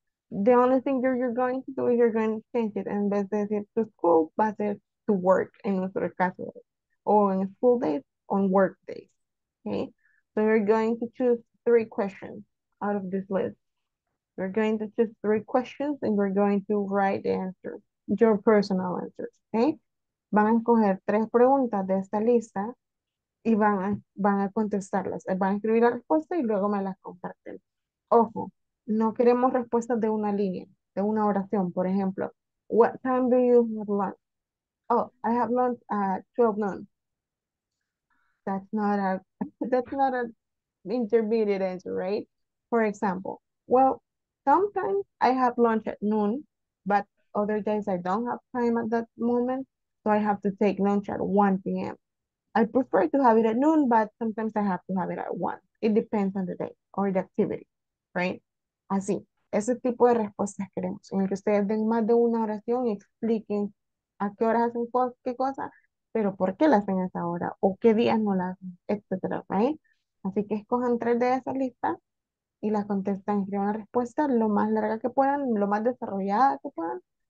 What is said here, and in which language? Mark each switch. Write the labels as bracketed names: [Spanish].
[English] The only thing you're going to do is you're going to change it. [Spanish] En vez de decir to school, va a ser to work en nuestro caso. [English] Or on school days, on work days. Okay? So you're going to choose three questions out of this list. You're going to choose three questions and you're going to write the answers, your personal answers. Okay? [Spanish] Van a escoger tres preguntas de esta lista y van a contestarlas. Van a escribir la respuesta y luego me las comparten. Ojo, no queremos respuestas de una línea, de una oración. Por ejemplo, [English] what time do you have lunch? Oh, I have lunch at 12 noon. That's not a intermediate answer, right? For example, well, sometimes I have lunch at noon, but other days I don't have time at that moment. So I have to take lunch at 1 p.m. I prefer to have it at noon, but sometimes I have to have it at 1. It depends on the day or the activity, right? [Spanish] Así, ese tipo de respuestas queremos. En el que ustedes den más de una oración y expliquen a qué horas hacen qué cosa, pero por qué la hacen a esa hora o qué días no la hacen, etcétera, right? Así que escojan tres de esa lista y las contestan, escriban una respuesta lo más larga que puedan, lo más desarrollada que puedan.